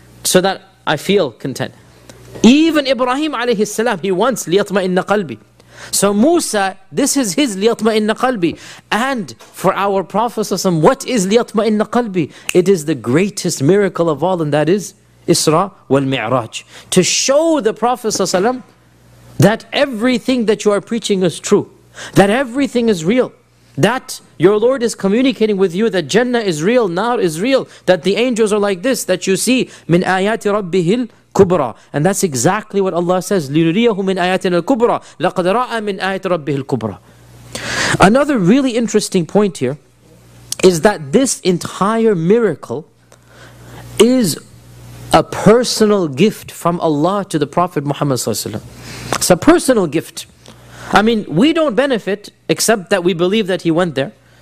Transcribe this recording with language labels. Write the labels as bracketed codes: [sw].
[en] So that I feel content. Even Ibrahim alayhi salam, he wants [ar] لِيَطْمَئِنَّ قَلْبِ [en] So Musa, this is his لِيَطْمَئِنَّ قَلْبِ And for our Prophet, what is لِيَطْمَئِنَّ قَلْبِ It is the greatest miracle of all, and that is Isra wal-Mi'raj. To show the Prophet that everything that you are preaching is true. That everything is real. That your Lord is communicating with you that Jannah is real, Nar is real, that the angels are like this, that you see, [ar] min ayati rabbihil الكبرى. [en] And that's exactly what Allah says, [ar] لِنُرِيَهُ مِنْ آيَاتِنَا الْكُبْرَى لَقَدْ رَأَى مِنْ آيَاتِ رَبِّهِ الْكُبْرَى. [en] Another really interesting point here is that this entire miracle is a personal gift from Allah to the Prophet Muhammad sallallahu alaihi wasallam. It's a personal gift. I mean, we don't benefit except that we believe that he went there.